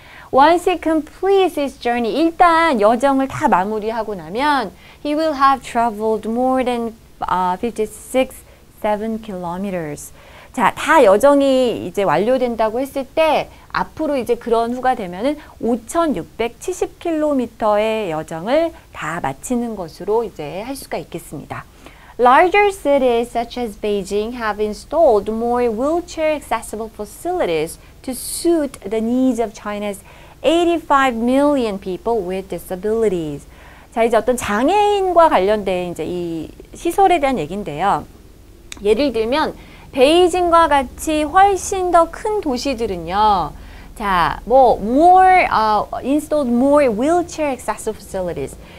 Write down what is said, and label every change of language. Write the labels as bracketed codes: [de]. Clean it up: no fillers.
[en] Once he completes his journey, [ko] 일단 여정을 다 마무리하고 나면 [en] he will have traveled more than 567 kilometers. [ko] 자, 다 여정이 이제 완료된다고 했을 때 앞으로 이제 그런 후가 되면은 5,670km의 여정을 다 마치는 것으로 이제 할 수가 있겠습니다. [en] Larger cities such as Beijing have installed more wheelchair accessible facilities to suit the needs of China's 85 million people with disabilities. [ko] 자, 이제 어떤 장애인과 관련된 이제 이 시설에 대한 얘기인데요. 예를 들면 베이징과 같이 훨씬 더큰 도시들은요. [en] 자, 뭐 more installed more wheelchair accessible facilities.